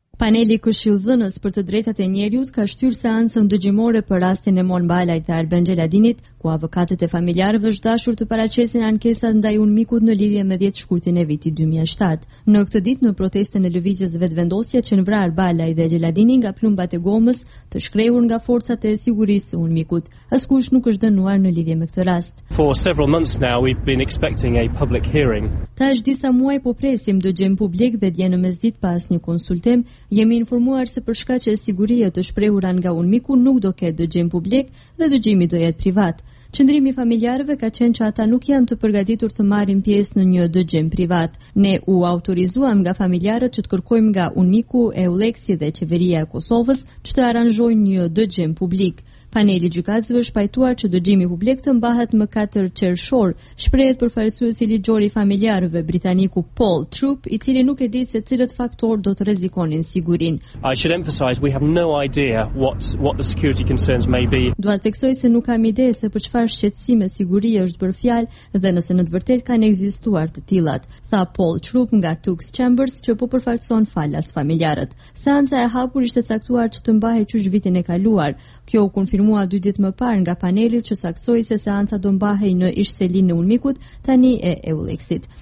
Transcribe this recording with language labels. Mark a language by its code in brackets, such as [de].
[sq] Paneli Këshillëdhënës për të drejtat e njeriut ka shtyrë seancën dëgjimore për rastin e Mon Balaj dhe Arben Gjeladinit, ku avokatët e familjarëve është dashur të paraqesin ankesat ndaj unëmikut në lidhje me 10 shkurtin e vitit 2007. Në këtë ditë, në protestën e lëvizjes vetëvendosje që nënvrar Balaj dhe Gjeladini nga plumbat e gomës, të shkrehur nga forcat e sigurisë unëmikut, askush nuk është dënuar në lidhje me këtë rast. [en] For several months now we've been expecting a public hearing. [sq] Tash disa muaj po presim dëgjim publik dhe dje në mesdit pas një konsultim. Jemi informuar se për shkaqe sigurie të shprehura nga unëmiku nuk do ketë dëgjim publik dhe dëgjimi do jetë privat. Qëndrimi familjarëve ka qenë që ata nuk janë të përgatitur të marrin pjesë në një dëgjim privat. Ne u autorizuam nga familjarët që të kërkojmë nga unëmiku Euleksi dhe qeveria e Kosovës që të aranzhojnë një dëgjim publik. Paneli gjykatësve shpajtuar që dëgjimi publik të mbahet më 4 qershor, shprehet përfaqësuesi ligjor i familjarëve britaniku Paul Troop, i cili nuk e di se cilët faktor do të rrezikonin sigurinë. [en] I should emphasize we have no idea what the security concerns may be. [sq] Dua të theksoj se nuk kam ide se për çfarë shqetësime sigurie është bërë fjalë dhe nëse në të vërtetë kanë ekzistuar të tillat, tha Paul Troop nga Tux Chambers, që po përfaqëson falas familjarët. Seanca e hapur ishte caktuar që të mbahej qysh vitin e kaluar. Kjo firmua 2 ditë më parë nga panelit që saksoi se seanca do mbahej në ish-selinë e unëmikut tani e Euleksit.